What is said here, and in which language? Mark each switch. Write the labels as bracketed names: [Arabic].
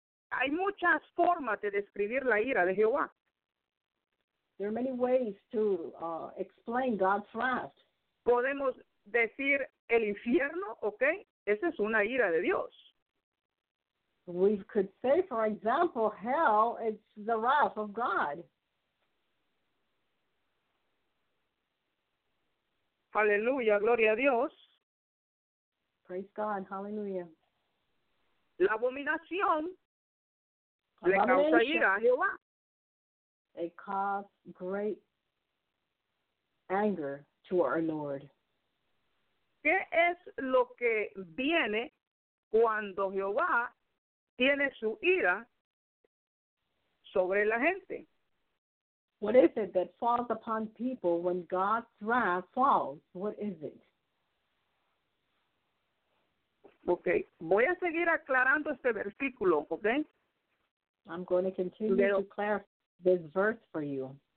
[Spanish] Hay muchas formas de describir la ira de Jehová. [English] There are many ways to explain God's wrath. [Spanish] Podemos decir el infierno, okay? Esa es una ira de Dios. [English] We could say, for example, hell is the wrath of God. [Spanish] Aleluya, gloria a Dios. [English] Praise God, hallelujah. [Spanish] La abominación le causa ira a Jehová. [English] It caused great anger to our Lord. [Spanish] ¿Qué es lo que viene cuando Jehová tiene su ira sobre la gente? [English] What is it that falls upon people when God's wrath falls? What is it? [Spanish] Okay, voy a seguir aclarando este versículo, okay? [English] I'm going to continue to clarify this verse for you.